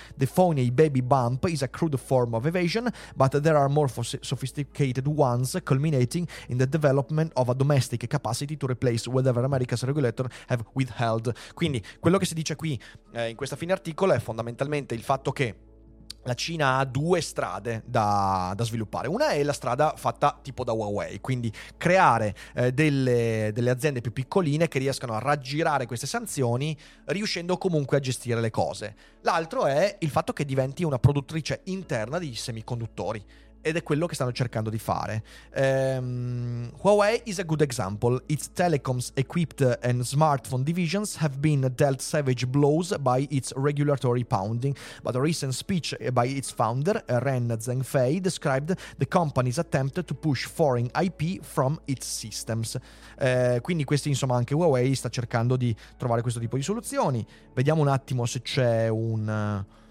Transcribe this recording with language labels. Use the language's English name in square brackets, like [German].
[English] The phony baby bump is a crude form of evasion, but there are more sophisticated ones, culminating in the development of a domestic capacity to replace whatever America's regulator have withheld. [Italian] Quindi quello che si dice qui in questa fine articolo è fondamentalmente il fatto che la Cina ha due strade da sviluppare. Una è la strada fatta tipo da Huawei, quindi creare delle aziende più piccoline che riescano a raggirare queste sanzioni, riuscendo comunque a gestire le cose. L'altro è il fatto che diventi una produttrice interna di semiconduttori. ed è quello che stanno cercando di fare. [English] Huawei is a good example. Its telecoms equipped and smartphone divisions have been dealt savage blows by its regulatory pounding, but a recent speech by its founder, Ren Zhengfei, described the company's attempt to push foreign IP from its systems. [Italian] Quindi questi, insomma, anche Huawei sta cercando di trovare questo tipo di soluzioni. Vediamo un attimo se c'è un...